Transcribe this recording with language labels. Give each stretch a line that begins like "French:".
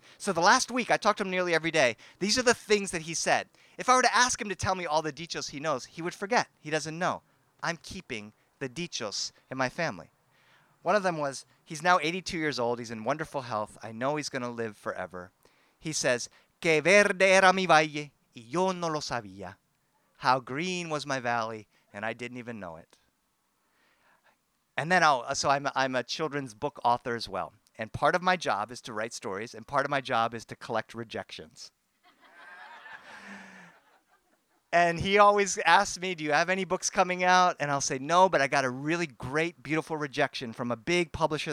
English: So the last week, I talked to him nearly every day. These are the things that he said. If I were to ask him to tell me all the dichos he knows, he would forget. He doesn't know. I'm keeping the dichos in my family. One of them was, he's now 82 years old, he's in wonderful health, I know he's going to live forever. He says,
Spanish: que verde era mi valle, y yo no lo sabía.
English: How green was my valley, and I didn't even know it. And then I'm a children's book author as well. And part of my job is to write stories, and part of my job is to collect rejections. And he always asks me, do you have any books coming out? And I'll say, no, but I got a really great, beautiful rejection from a big publisher.